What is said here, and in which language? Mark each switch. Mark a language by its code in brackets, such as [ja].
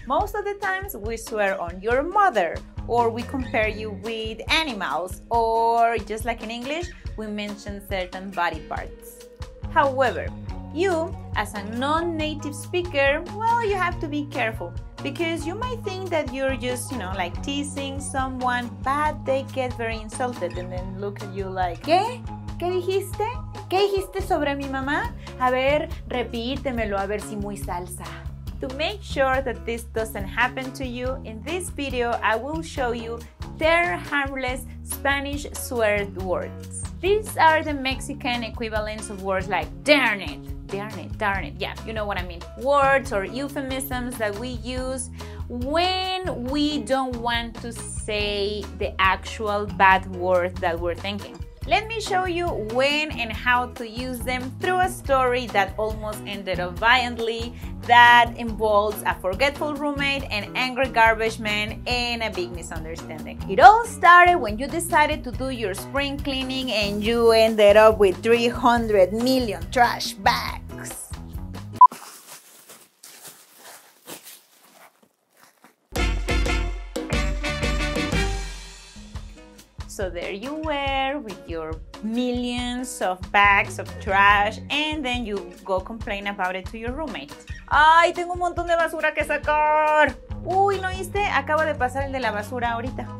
[en] Most of the times we swear on your mother, or we compare you with animals, or just like in English, we mention certain body parts. However, you, as a non-native speaker, well, you have to be careful, because you might think that you're just, you know, like teasing someone, but they get very insulted and then look at you like, [es] ¿qué? ¿Qué dijiste? ¿Qué dijiste sobre mi mamá? A ver, repítemelo, a ver si muy salsa. [en] To make sure that this doesn't happen to you, in this video, I will show you 10 harmless Spanish swear words. These are the Mexican equivalents of words like darn it, yeah, you know what I mean. Words or euphemisms that we use when we don't want to say the actual bad word that we're thinking. Let me show you when and how to use them through a story that almost ended up violently, that involves a forgetful roommate, an angry garbage man, and a big misunderstanding. It all started when you decided to do your spring cleaning and you ended up with 300 million trash bags. So there you were with your millions of bags of trash, and then you go complain about it to your roommate. [es] ¡Ay, tengo un montón de basura que sacar! ¡Uy, ¿no oíste? Acaba de pasar el de la basura ahorita.